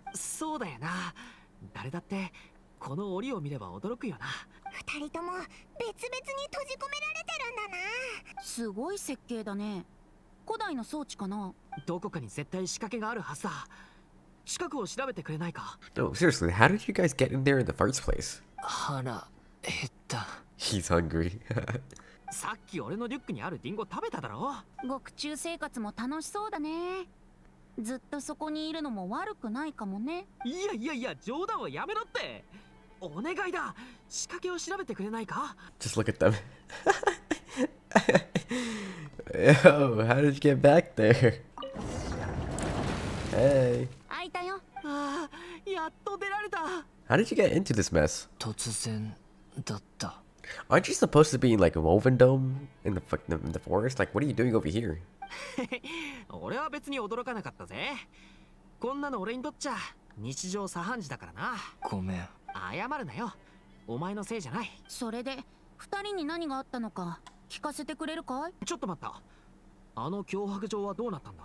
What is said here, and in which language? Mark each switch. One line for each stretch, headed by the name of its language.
Japanese: そうだよな。誰だってこの檻を見れば驚くよな。二人とも別々に閉じ込められてるんだな。すごい設計だね。古代の装置かな。どこかに絶対仕掛けがあるはずだ。近くを調べてくれないか。
English: No, seriously, how did you guys get in there in the first place?
Japanese: 腹減った。
English: He's hungry.
Japanese: さっき俺のリュックにあるリンゴ食べただろ。獄中生活も楽しそうだね。ずっとそこにいるのも悪くないかもね。いやいやいや、冗談はやめろって。お願いだ、仕掛けを調べてくれないか。
English: Just look at them. Yo, how did you get back there? Hey.
Japanese: やっと出られた。
English: How did you get into this mess?
Japanese: 突然だった。
English: Aren't you supposed to be in like a woven dome in the forest? Like what are you doing over here?
Japanese: 俺は別に驚かなかったぜ。こんなの俺にとっちゃ日常茶飯事だからな。ごめん。謝るなよ、お前のせいじゃない。それで二人に何があったのか聞かせてくれるかい。ちょっと待った、あの脅迫状はどうなったんだ。